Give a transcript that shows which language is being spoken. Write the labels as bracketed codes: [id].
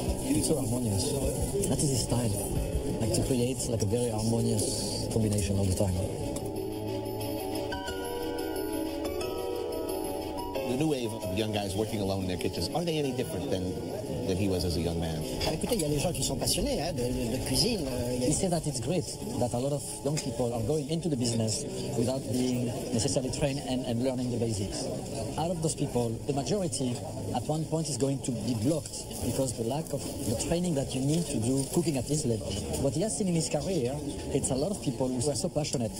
[en] It's so harmonious. That is his style. Like to create like a very harmonious combination all the time. The new wave of young guys working alone in their kitchens, are they any different than he was as a young man? [fr] Écoutez, il y a des gens qui sont passionnés de cuisine. [en] He said that it's great that a lot of young people are going into the business without being necessarily trained and learning the basics. Out of those people, the majority at one point is going to be blocked because the lack of the training that you need to do cooking at this level. What he has seen in his career, it's a lot of people who are so passionate.